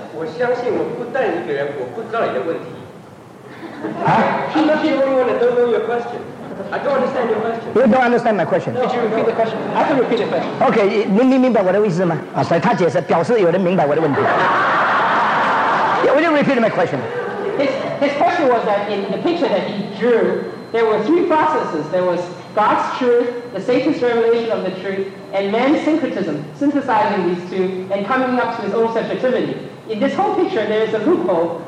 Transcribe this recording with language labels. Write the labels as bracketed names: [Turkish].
[Chinese] 我相信我不带一个人，我不知道你的问题。啊 [English] ？I'm not the only one that don't know your question. I don't understand your question. You don't understand my question. Could you repeat the question? I can repeat the question. [Chinese] OK, 你明白我的意思吗？啊，所以他解释表示有人明白我的问题。 [English] Yeah, will you repeat my question? His question was that in the picture that he drew, there were three processes. There was God's truth, the Satan's revelation of the truth, and man's syncretism, synthesizing these two and coming up to his own subjectivity. In this whole picture, there is a loophole.